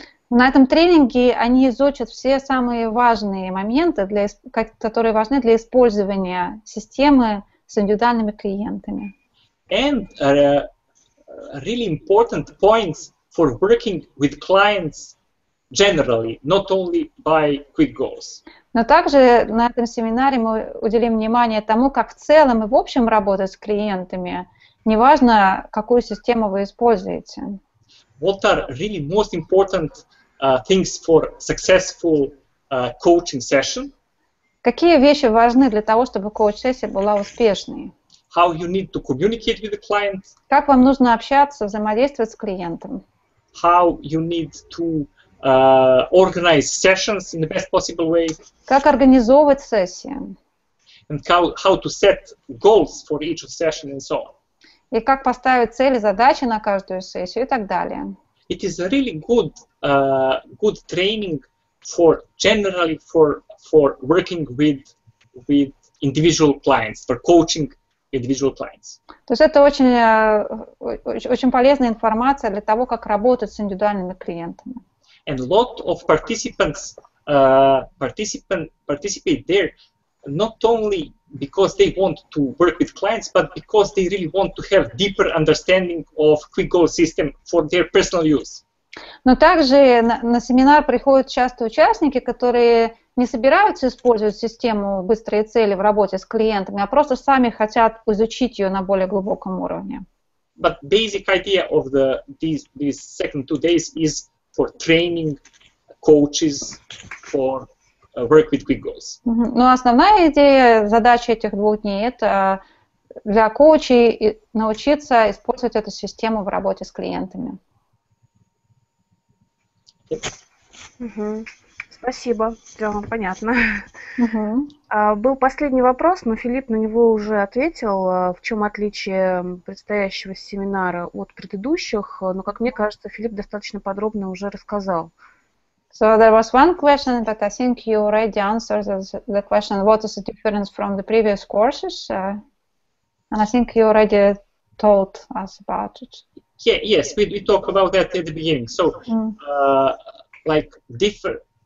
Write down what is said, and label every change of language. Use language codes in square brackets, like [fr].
[ru] На этом тренинге они изучат все самые важные моменты, которые важны для использования системы с индивидуальными клиентами. [en] And really important points for working with clients generally, not only by quick goals. [ru] Но также на этом семинаре мы уделим внимание тому, как в целом и в общем работать с клиентами, неважно, какую систему вы используете. [en] What are really most important things for successful coaching session? [ru] Какие вещи важны для того, чтобы коуч-сессия была успешной? [en] How you need to communicate with the client? [ru] Как вам нужно общаться, взаимодействовать с клиентом? [en] How you need to organize sessions in the best possible way? [ru] Как организовывать сессии? [en] And how to set goals for each session and so on? [ru] И как поставить цели, задачи на каждую сессию и так далее. [en] It is a really good good training for generally for working with individual clients, for coaching individual clients. [ru] То есть это очень полезная информация для того, как работать с индивидуальными клиентами. [en] And a lot of participate there not only because they want to work with clients, but because they really want to have deeper understanding of quick goal system for their personal use. [ru] Но также на семинар приходят часто участники, которые не собираются использовать систему «Быстрые цели» в работе с клиентами, а просто сами хотят изучить ее на более глубоком уровне. [en] But basic idea of these second 2 days is for training coaches for work with quick goals. [ru] Но основная идея, задача этих двух дней – это для коучей научиться использовать эту систему в работе с клиентами. Угу. Спасибо, все понятно. Был последний вопрос, но Филипп на него уже ответил. В чем отличие предстоящего семинара от предыдущих? Но, как мне кажется, Филипп достаточно подробно уже рассказал. [en] So there was one question, but I think you already answered the question. What is the difference from the previous courses? And I think you already told us about it. Yeah, yes, we talk about that at the beginning. So, like different.